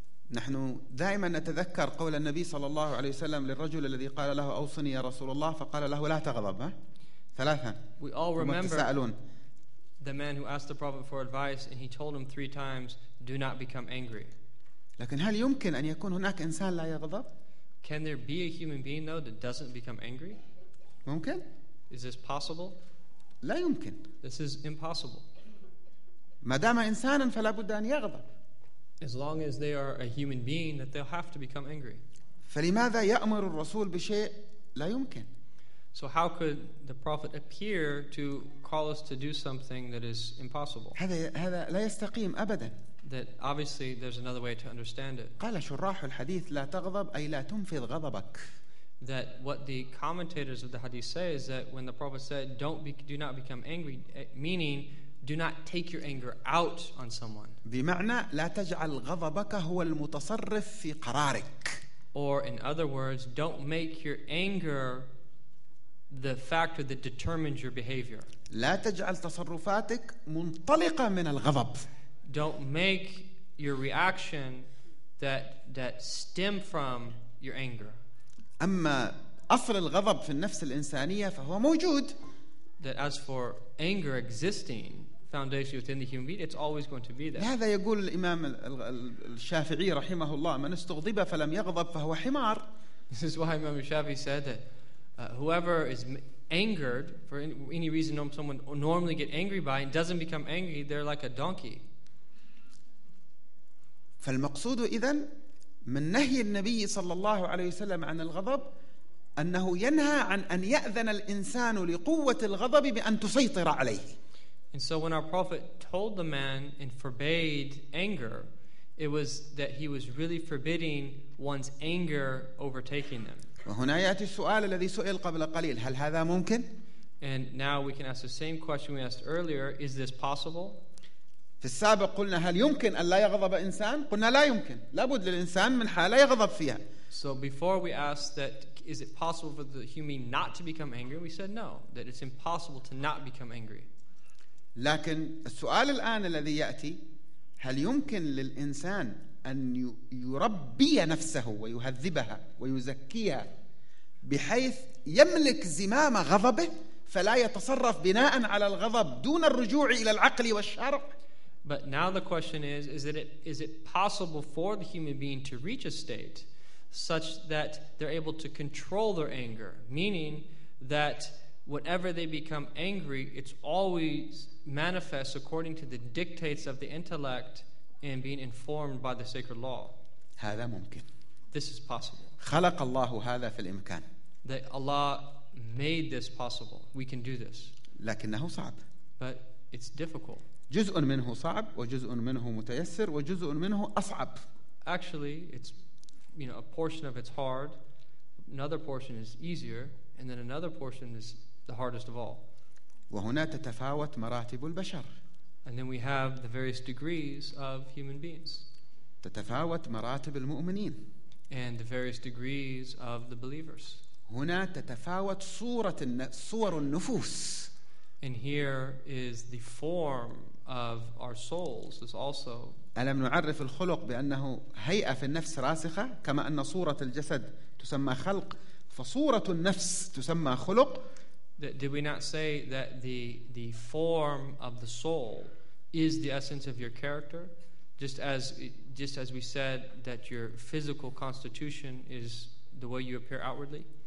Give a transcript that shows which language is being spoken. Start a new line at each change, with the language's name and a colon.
Arabic: نحن دائما نتذكر قول النبي صلى الله عليه وسلم للرجل الذي قال له أوصني يا رسول الله فقال له لا تغضب ثلاثة.
English: We all remember the man who asked the Prophet for advice and he told him three times, do not become angry.
Arabic: لكن هل يمكن أن يكون هناك إنسان لا يغضب؟
English: Can there be a human being though that doesn't become angry?
Arabic: ممكن؟
English: Is this possible?
Arabic: لا يمكن.
English: This is impossible.
Arabic: ما دام إنسانا فلا بد أن يغضب.
English: As long as they are a human being that they'll have to become angry.
Arabic: فلماذا يأمر الرسول بشيء لا يمكن؟
English: So how could the prophet appear to call us to do something that is impossible?
Arabic: هذا لا يستقيم أبدا.
English: That obviously there's another way to understand it.
Arabic: قال شراح الحديث لا تغضب أي لا تنفذ غضبك.
English: That what the commentators of the hadith say is that when the prophet said do not become angry, meaning do not take your anger out on someone.
Arabic: بمعنى لا تجعل غضبك هو المتصرف في قرارك.
English: Or in other words, don't make your anger the factor that determines your behavior.
Arabic: لا تجعل تصرفاتك منطلقة من الغضب.
English: Don't make your reaction that stem from your anger.
Arabic: أما أصل الغضب في النفس الإنسانية فهو موجود.
English: That as for anger existing foundation within the human being, it's always going to be there.
Arabic: هذا يقول الإمام الشافعي رحمه الله من استغضب فلم يغضب فهو حمار.
English: This is why Imam Shafi said that whoever is angered for any reason someone normally get angry by and doesn't become angry, they're like a donkey.
Arabic: فالمقصود إذن من نهي النبي صلى الله عليه وسلم عن الغضب أنه ينهى عن أن يأذن الإنسان لقوة الغضب بأن تسيطر عليه.
English: And so when our prophet told the man and forbade anger, it was that he was really forbidding one's anger overtaking them.
Arabic: وهنا يأتي السؤال الذي سئل قبل قليل، هل هذا ممكن؟
English: And now we can ask the same question we asked earlier, is this possible?
Arabic: في السابق قلنا هل يمكن أن لا يغضب إنسان؟ قلنا لا يمكن، لابد للإنسان من حالة يغضب فيها.
English: So before we asked that is it possible for the human not to become angry, we said no, that it's impossible to not become angry.
Arabic: لكن السؤال الآن الذي يأتي هل يمكن للإنسان أن يربي نفسه ويهذبها ويزكيها بحيث يملك زمام غضبه فلا يتصرف بناء على الغضب دون الرجوع إلى العقل والشرع؟
English: But now the question is it possible for the human being to reach a state such that they're able to control their anger, meaning that whenever they become angry, it's always manifest according to the dictates of the intellect and being informed by the sacred law.
Arabic: هذا ممكن.
English: This is possible.
Arabic: خلق الله هذا في الإمكان.
English: That Allah made this possible. We can do this.
Arabic: لكنه صعب.
English: But it's difficult.
Arabic: جزء منه صعب وجزء منه متيسر وجزء منه أصعب.
English: Actually, it's you know, a portion of it's hard, another portion is easier, and then another portion is the hardest of all.
Arabic: وهنا تتفاوت مراتب البشر.
English: And then we have the various degrees of human beings.
Arabic: تتفاوت مراتب المؤمنين.
English: And the various degrees of the believers.
Arabic: هنا تتفاوت صور النفوس.
English: And here is the form of our souls is also.
Arabic: ألم نعرف الخلق بأنه هيئة في النفس راسخة كما أن صورة الجسد تسمى خلق فصورة النفس تسمى خلق.
English: Did we not say that the form of the soul is the essence of your character, just as we said that your physical constitution is the way you appear outwardly?